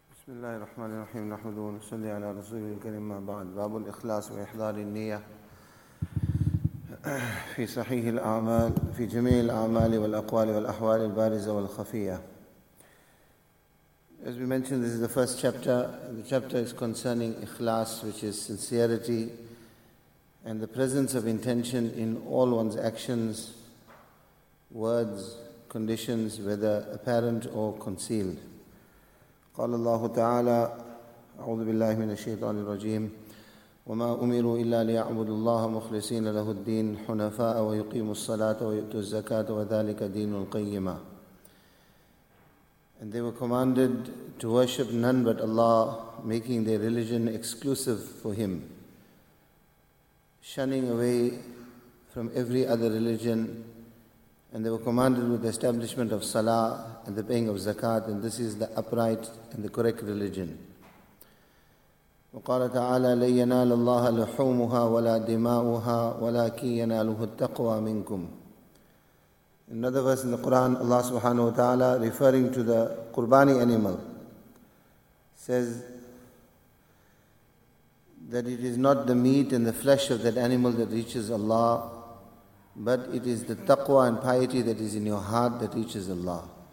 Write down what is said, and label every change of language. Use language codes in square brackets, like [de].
[ar] بسم الله الرحمن الرحيم، نحمده ونصلي على رسوله الكريم. ما بعد، باب الإخلاص وإحضار النية في صحيح الأعمال، في جميع الأعمال والأقوال والأحوال البارزة والخفية. [en] As we mentioned, this is the first chapter. The chapter is concerning ikhlas, which is sincerity and the presence of intention in all one's actions, words, conditions, whether apparent or concealed. [ar] قال الله تعالى أعوذ بالله من الشيطان الرجيم وما أمروا إلا ليعبدوا الله مخلصين له الدين حنفاء ويقيموا الصلاة ويؤتوا الزكاة وذلك دين القيمة. [en] And they were commanded to worship none but Allah, making their religion exclusive for Him, shunning away from every other religion. And they were commanded with the establishment of salah and the paying of zakat, and this is the upright and the correct religion. [ar] وقال تعالى لن ينال الله لحومها ولا دماؤها ولكن يناله التقوى منكم. [en] Another verse in the Quran, Allah subhanahu wa ta'ala, referring to the qurbani animal, says that it is not the meat and the flesh of that animal that reaches Allah, but it is the taqwa and piety that is in your heart that reaches Allah.